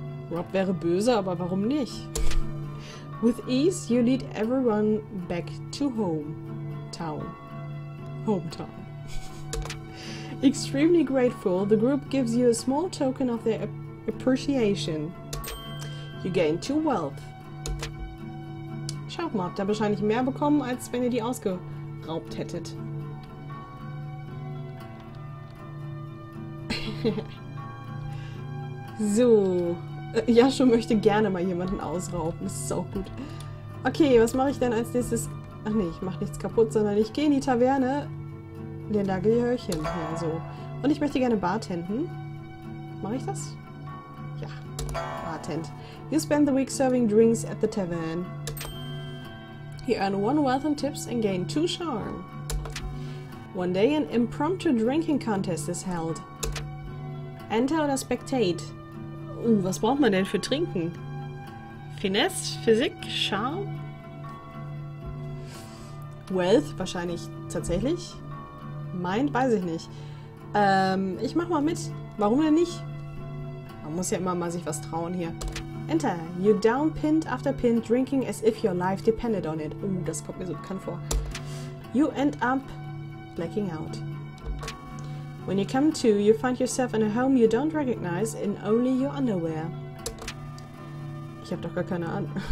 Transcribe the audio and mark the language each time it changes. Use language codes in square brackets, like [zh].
[de] Rob wäre böse, aber warum nicht? [en] With ease, you lead everyone back to home. Town. Hometown. Extremely grateful, the group gives you a small token of their Appreciation. You gain 2 wealth. [de] Schaut mal, habt ihr wahrscheinlich mehr bekommen, als wenn ihr die ausgeraubt hättet. So. Yasho möchte gerne mal jemanden ausrauben. Das ist auch gut. Okay, was mache ich denn als nächstes? Ach nee, ich mache nichts kaputt, sondern ich gehe in die Taverne. Denn da gehöre ich hin. Ja, so. Und ich möchte gerne Bartenden. Mache ich das? Ja. Bartend. [en] You spend the week serving drinks at the tavern. You earn 1 wealth and tips and gain 2 charm. One day an impromptu drinking contest is held. Enter oder spectate. [de] Was braucht man denn für Trinken? Finesse, Physik, Charme? Wealth, wahrscheinlich tatsächlich. Mind, weiß ich nicht. Ich mach mal mit. Warum denn nicht? Man muss ja immer mal sich was trauen hier. [en] Enter. You down pint after pint, drinking as if your life depended on it. [de] Das kommt mir so bekannt vor. [en] You end up blacking out. When you come to, you find yourself in a home you don't recognize in only your underwear. [de] Ich hab doch gar keine Ahnung.